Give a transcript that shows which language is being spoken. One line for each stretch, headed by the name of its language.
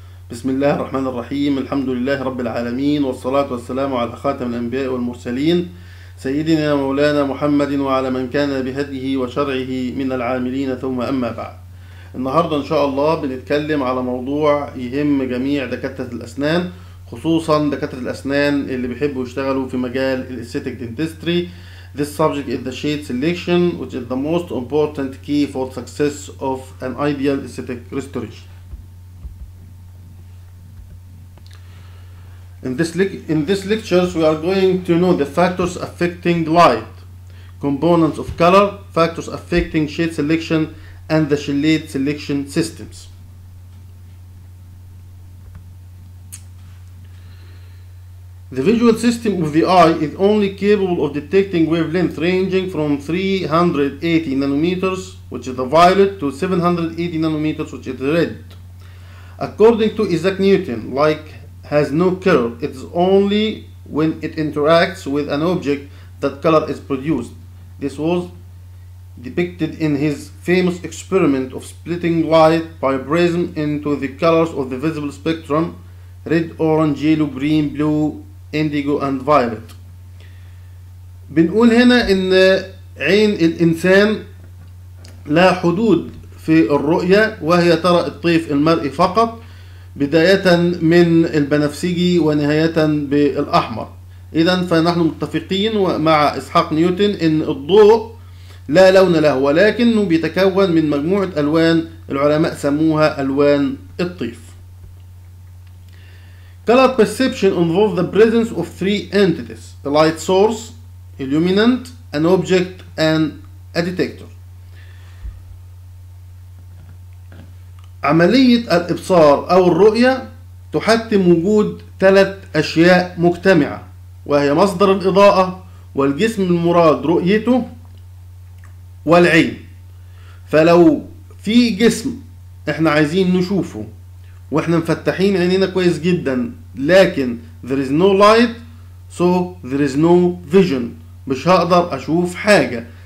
Arabic: بسم الله الرحمن الرحيم، الحمد لله رب العالمين، والصلاة والسلام على خاتم الأنبياء والمرسلين سيدنا مولانا محمد وعلى من كان بهديه وشرعه من العاملين، ثم أما بعد. النهاردة إن شاء الله بنتكلم على موضوع يهم جميع دكاترة الأسنان، خصوصا دكاترة الأسنان اللي بيحبوا يشتغلوا في مجال الاستيتيك دينتستري.
English: This subject is the sheet selection which is the most important key for success of an ideal aesthetic restoration. In this lectures, we are going to know the factors affecting light, components of color, factors affecting shade selection, and the shade selection systems. The visual system of the eye is only capable of detecting wavelength ranging from 380 nanometers, which is the violet, to 780 nanometers, which is the red. According to Isaac Newton, light has no color. It is only when it interacts with an object that color is produced. This was depicted in his famous experiment of splitting light by prism into the colors of the visible spectrum: red, orange, yellow, green, blue, indigo and violet.
Arabic: بنقول هنا ان عين الانسان لا حدود في الرؤية، وهي ترى الطيف المرئي فقط، بداية من البنفسجي ونهاية بالاحمر. اذا فنحن متفقين مع اسحاق نيوتن ان الضوء لا لون له، ولكنه بيتكون من مجموعة الوان العلماء سموها الوان الطيف.
English: Color perception involves the presence of three entities: a light source, illuminant, an object, and a detector.
Arabic: عملية الإبصار أو الرؤية تحتم وجود ثلاث أشياء مجتمعة، وهي مصدر الإضاءة والجسم المراد رؤيته والعين. فلو في جسم إحنا عايزين نشوفه وإحنا مفتحين عينينا كويس جدا، لكن
English: there is no light so there is no vision،
Arabic: مش هقدر أشوف حاجة.